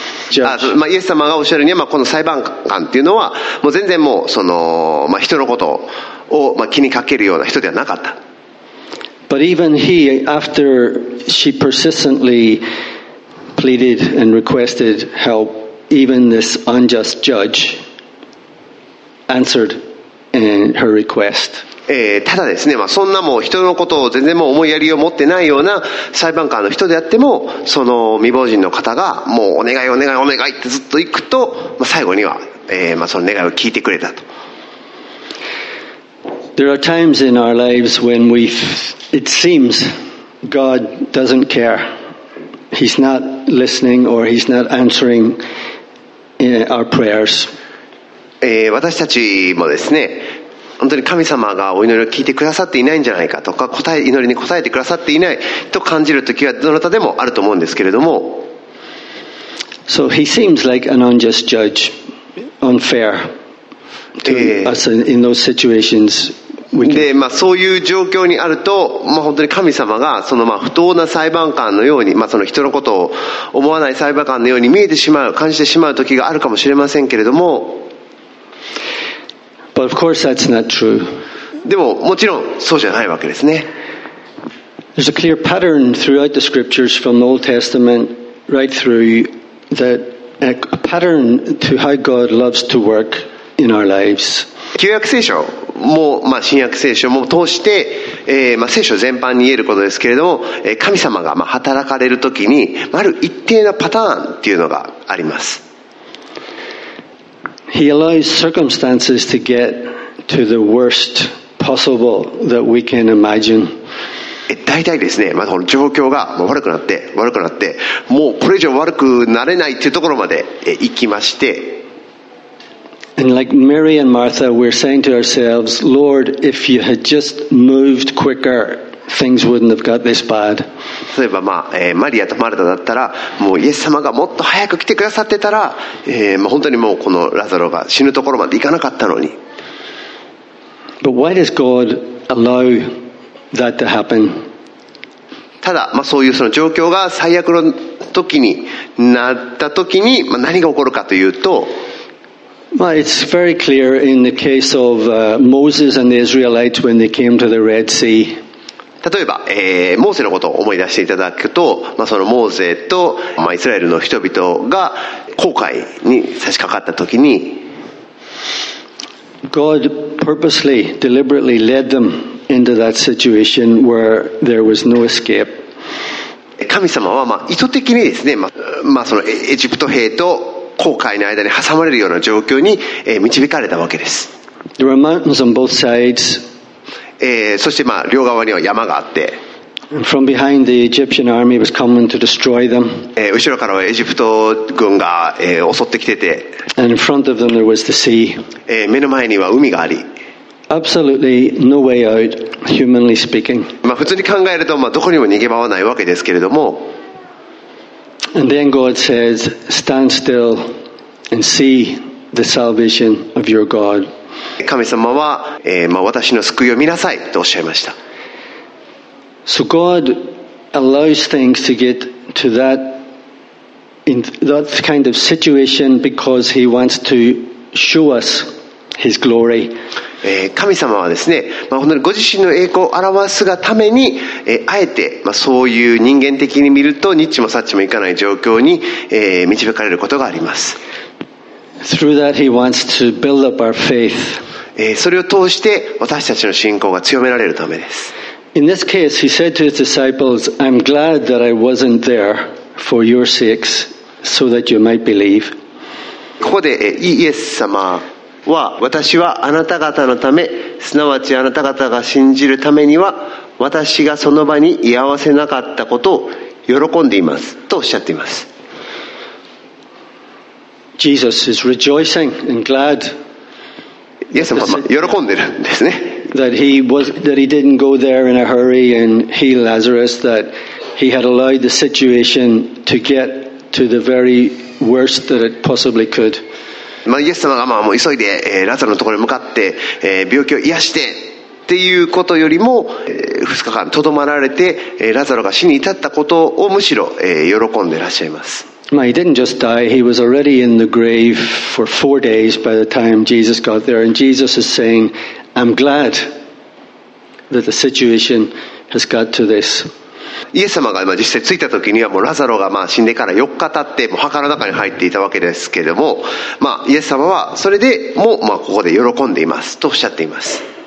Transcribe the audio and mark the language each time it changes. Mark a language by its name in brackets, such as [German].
[Japanese] イエス様がおっしゃるには、この裁判官っていうのはもう全然もうその、人のことを、気にかけるような人ではなかった [English] But even he, after she persistently pleaded and requested help, even this unjust judge answered her request [Japanese] ただですね、まあ、そんなもう人のことを全然もう思いやりを持ってないような裁判官の人であっても、その未亡人の方がもうお願いお願いお願いってずっと行くと、まあ、最後には、まあその願いを聞いてくれたと。 [English] There are times in our lives when we it seems God doesn't care. He's not listening or he's not answering our prayers. [Japanese] 私たちもですね、本当に神様がお祈りを聞いてくださっていないんじゃないかとか、祈りに応えてくださっていないと感じる時はどなたでもあると思うんですけれども。 [English] So he seems like an unjust judge, unfair to us in those situations. [Japanese] でまあ、そういう状況にあると、まあ、本当に神様がそのまあ不当な裁判官のように、まあ、その人のことを思わない裁判官のように見えてしまう、感じてしまう時があるかもしれませんけれども、 [English] But of course that's not true. [Japanese] でももちろんそうじゃないわけですね。 [English] There's a clear pattern throughout the scriptures from the Old Testament right through that a pattern to how God loves to work in our lives. [Japanese] 旧約聖書も、まあ、新約聖書も通して、まあ、聖書全般に言えることですけれども、神様がまあ働かれるときに、ある一定のパターンっていうのがあります。 [English] He allows circumstances to get to the worst possible that we can imagine. [Japanese] 大体ですね、まあ、この状況が悪くなって、もうこれ以上悪くなれないっていうところまで行きまして、 [English] And like Mary and Martha, we're saying to ourselves, Lord, if you had just moved quicker, things wouldn't have got this bad. [Japanese] 例えば、まあ、マリアとマルタだったら、もうイエス様がもっと早く来てくださってたら、まあ、本当にもうこのラザロが死ぬところまで行かなかったのに。 [English] But why does God allow that to happen? [Japanese] ただ、まあ、そういうその状況が最悪の時になった時に、まあ、何が起こるかというと、 [English] Well, it's very clear in the case of Moses and the Israelites when they came to the Red Sea. [Japanese] 例えば、モーセのことを思い出していただくと、まあ、そのモーゼと、まあ、イスラエルの人々が紅海に差し掛かったときに、 [English] God purposely, deliberately led them into that situation where there was no escape. [Japanese] 神様はまあ意図的にですね、まあ、まあ、そのエジプト兵と航海の間に挟まれるような状況に導かれたわけです。 [English] There were mountains on both sides. [Japanese] そしてまあ両側には山があって。 [English] And from behind the Egyptian army was coming to destroy them. [Japanese] 後ろからはエジプト軍が襲ってきてて。 [English] And in front of them there was the sea. [Japanese] 目の前には海があり。 [English] Absolutely no way out, humanly speaking. [Japanese] まあ普通に考えるとまあどこにも逃げ場はないわけですけれども。 [English] And then God says, "Stand still and see the salvation of your God." [Japanese] 神様は、まあ、私の救いを見なさいとおっしゃいました。 [English] So God allows things to get to that in that kind of situation because He wants to show us His glory. [Japanese] 神様はですね、まあ、本当にご自身の栄光を表すがために、あえて、まあ、そういう人間的に見るとニッチもサッチもいかない状況に、導かれることがあります。 [English] Through that he wants to build up our faith. [Japanese] それを通して私たちの信仰が強められるためです。 [English] In this case he said to his disciples, I'm glad that I wasn't there for your sakes so that you might believe. [Japanese] ここで、イエス様は私はあなた方のため、すなわちあなた方が信じるためには、私がその場に居合わせなかったことを喜んでいますとおっしゃっています。 [English] Jesus is rejoicing and glad. [Japanese] イエス様は喜んでるんですね。 [English] That he didn't go there in a hurry and heal Lazarus, that he had allowed the situation to get to the very worst that it possibly could. [Japanese] まあ、イエス様がまあもう急いで、ラザロのところに向かって、病気を癒してっていうことよりも、2日間とどまられて、ラザロが死に至ったことをむしろ、喜んでいらっしゃいます。 [English] まあ、He didn't just die. He was already in the grave for 4 days by the time Jesus got there. And Jesus is saying, I'm glad that the situation has got to this. [Japanese] イエス様が実際着いた時にはもうラザロがまあ死んでから4日経ってもう墓の中に入っていたわけですけれども、まあ、イエス様はそれでもまあここで喜んでいますとおっしゃっています。